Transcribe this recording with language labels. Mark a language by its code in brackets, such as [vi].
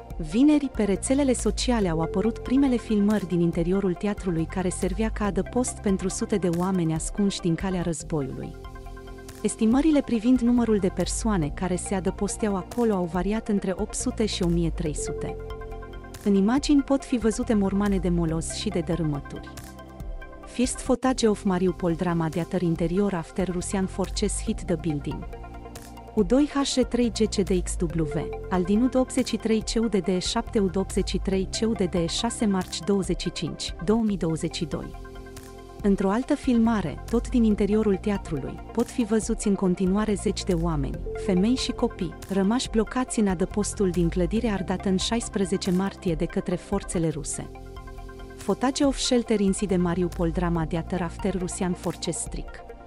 [ro] Vineri, pe rețelele sociale au apărut primele filmări din interiorul teatrului care servea ca adăpost pentru sute de oameni ascunși din calea războiului. Estimările privind numărul de persoane care se adăposteau acolo au variat între 800 și 1300. În imagini pot fi văzute mormane de moloz și de dărâmături. [en] First footage of Mariupol drama theater interior after Russian forces hit the building. U2H3GCDXW, Aldin U83CUDD7 U83CUDD6 March 25, 2022. [ro] Într-o altă filmare, tot din interiorul teatrului, pot fi văzuți în continuare zeci de oameni, femei și copii, rămași blocați în adăpostul din clădire ardată în 16 martie de către forțele ruse. [en] Footage of shelter inside Mariupol drama theater after Russian forces strike.